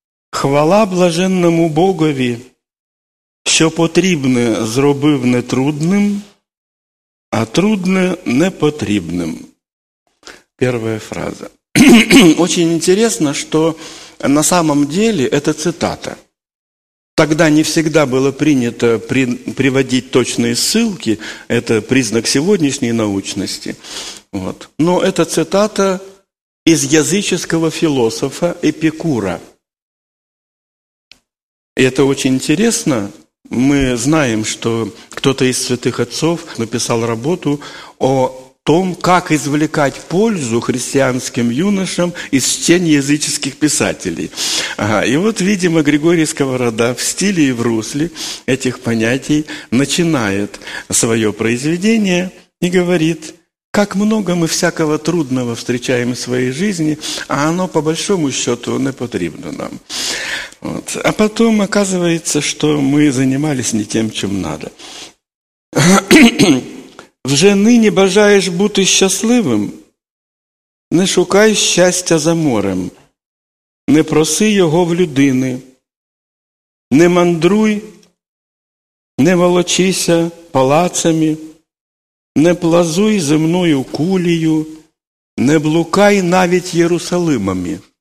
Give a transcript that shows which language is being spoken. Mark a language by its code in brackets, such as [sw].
[uk] Хвала блаженному Богові, що потрібне зробив нетрудним, а трудне непотрібним». [ru] Первая фраза. Очень интересно, что на самом деле это цитата. Тогда не всегда было принято приводить точные ссылки, это признак сегодняшней научности. Вот. Но это цитата из языческого философа Эпикура. И это очень интересно. Мы знаем, что кто-то из святых отцов написал работу о том, как извлекать пользу христианским юношам из чтения языческих писателей. Ага. И вот, видимо, Григорий Сковорода в стиле и в русле этих понятий начинает свое произведение и говорит: «Как много мы всякого трудного встречаем в своей жизни, а оно, по большому счету, не потребно нам». Вот. А потом оказывается, что мы занимались не тем, чем надо. [uk] «Вже ныне бажаешь бути счастливым? Не шукай счастья за морем, не проси его в людини, не мандруй, не волочися палацами, не плазуй земною кулію, не блукай навіть Єрусалимами.